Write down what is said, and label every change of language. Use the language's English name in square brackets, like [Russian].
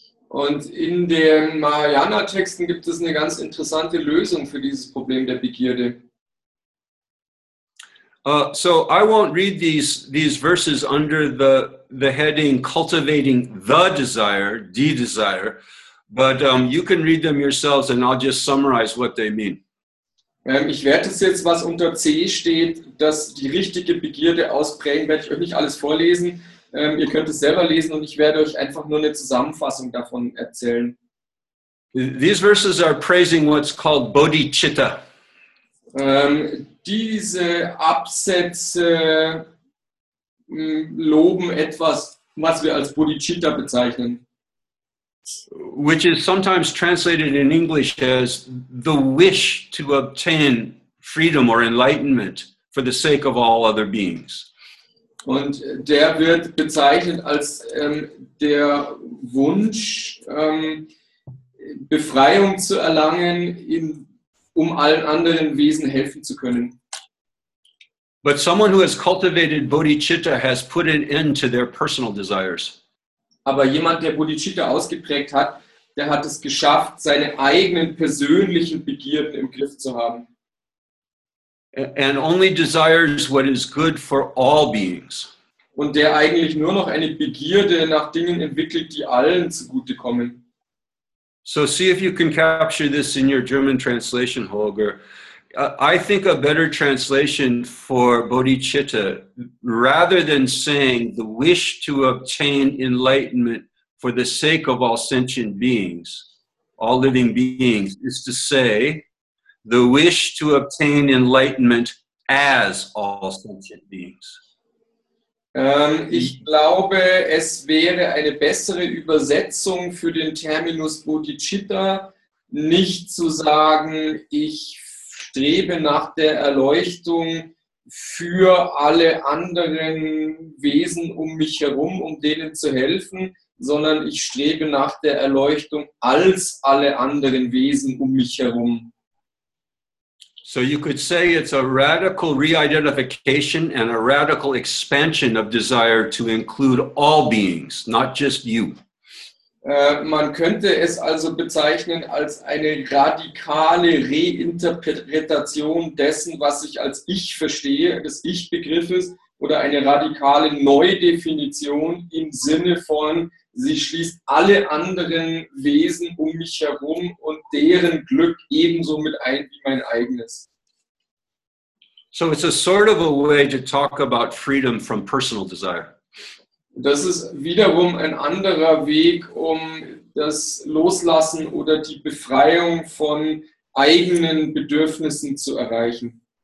[German] Und in den Mahayana Texten gibt es eine ganz interessante Lösung für dieses Problem der Begierde. [English] So I won't read these verses under the heading cultivating the desire, but you can read them yourselves and I'll just summarize what they mean. [German] Ich werde es jetzt, was unter C steht, dass die richtige Begierde ausprägen, werde ich euch nicht alles vorlesen. Ihr könnt es selber lesen und ich werde euch einfach nur eine Zusammenfassung davon erzählen. [English] These verses are praising what's called Bodhicitta. [German] Diese Absätze loben etwas, was wir als Bodhicitta bezeichnen. [English] Which is sometimes translated in English as the wish to obtain freedom or enlightenment for the sake of all other beings. [German] Und der wird bezeichnet als der Wunsch, Befreiung zu erlangen, um allen anderen Wesen helfen zu können. [English] But someone who has cultivated bodhicitta has put an end to their personal desires. [German] Aber jemand, der Bodhicitta ausgeprägt hat, der hat es geschafft, seine eigenen persönlichen Begierden im Griff zu haben. [English] And only desires what is good for all beings. [German] Und der eigentlich nur noch eine Begierde nach Dingen entwickelt, die allen zugutekommen. [English] So see if you can capture this in your German translation, Holger. I think a better translation for bodhicitta, rather than saying the wish to obtain enlightenment for the sake of all sentient beings, all living beings, is to say the wish to obtain enlightenment as all sentient beings. [German] Ich glaube, es wäre eine bessere Übersetzung für den Terminus bodhicitta, nicht zu sagen, ich strebe nach der Erleuchtung für alle anderen Wesen um mich herum, um denen zu helfen, sondern ich strebe nach der Erleuchtung als alle anderen Wesen um mich herum. [English] So you could say it's a radical re-identification and a radical expansion of desire to include all beings, not just you. [German] Man könnte es also bezeichnen als eine radikale Reinterpretation dessen, was ich als Ich verstehe, des Ich-Begriffes, oder eine radikale Neudefinition im Sinne von, sie schließt alle anderen Wesen um mich herum und deren Glück ebenso mit ein wie mein eigenes. [English] So it's a sort of a way to talk about freedom from personal desire. [German] Das ist wiederum ein anderer Weg, um das Loslassen oder die Befreiung von eigenen Bedürfnissen zu erreichen.